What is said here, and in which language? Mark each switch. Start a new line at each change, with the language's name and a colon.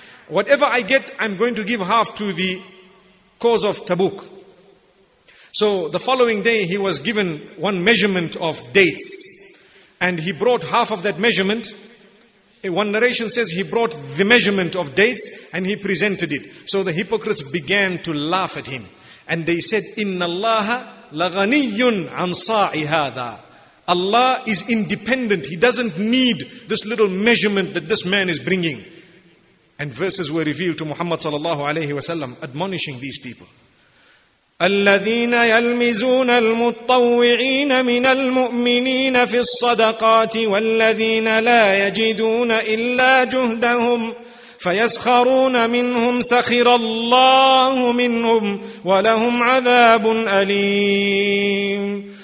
English: Whatever I get, I'm going to give half to the cause of Tabuk. So the following day he was given one measurement of dates, and he brought half of that measurement. One narration says he brought the measurement of dates and he presented it. So the hypocrites began to laugh at him. And they said,
Arabic: إِنَّ اللَّهَ لَغَنِيٌّ عَنْ صَاعِ هَذَا.
English: Allah is independent. He doesn't need this little measurement that this man is bringing. And verses were revealed to Muhammad sallallahu alayhi wasallam, admonishing these people.
Arabic: الَّذِينَ يَلْمِزُونَ الْمُطَّوِّعِينَ مِنَ الْمُؤْمِنِينَ فِي الصَّدَقَاتِ وَالَّذِينَ لَا يَجِدُونَ إِلَّا جُهْدَهُمْ فَيَسْخَرُونَ مِنْهُمْ سَخِرَ اللَّهُ مِنْهُمْ وَلَهُمْ عَذَابٌ أَلِيمٌ.